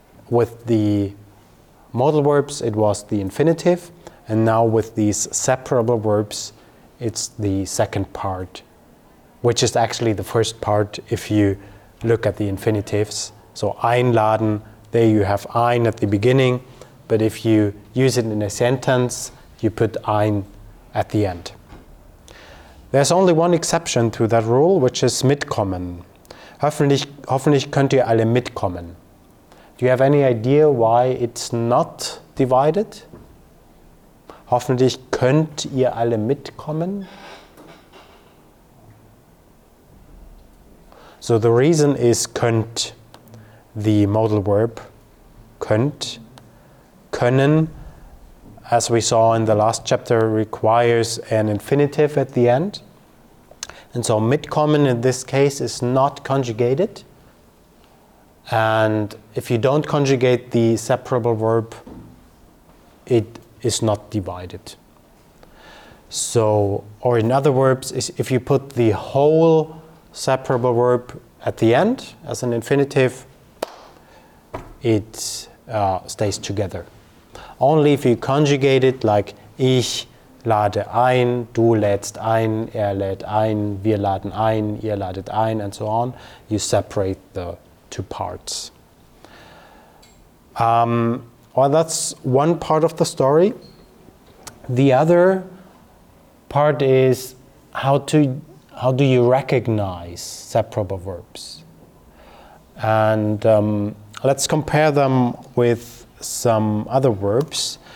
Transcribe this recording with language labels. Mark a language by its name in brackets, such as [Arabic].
[English] With the modal verbs, it was the infinitive, and now with these separable verbs, it's the second part, which is actually the first part if you look at the infinitives. So einladen, there you have ein at the beginning, but if you use it in a sentence, you put ein at the end. There's only one exception to that rule, which is mitkommen. [German] Hoffentlich könnt ihr alle mitkommen. [English] Do you have any idea why it's not divided? [German] Hoffentlich könnt ihr alle mitkommen. [English] So the reason is könnt, the modal verb, könnt. Können, as we saw in the last chapter, requires an infinitive at the end. And so mitkommen in this case is not conjugated. And if you don't conjugate the separable verb, it is not divided. So, or in other words, if you put the whole separable verb at the end as an infinitive, it stays together. Only if you conjugate it like [German] ich lade ein, du lädst ein, er lädt ein, wir laden ein, ihr ladet ein, [English] and so on, you separate the two parts. Well, that's one part of the story. The other part is how do you recognize separable verbs? And let's compare them with some other verbs.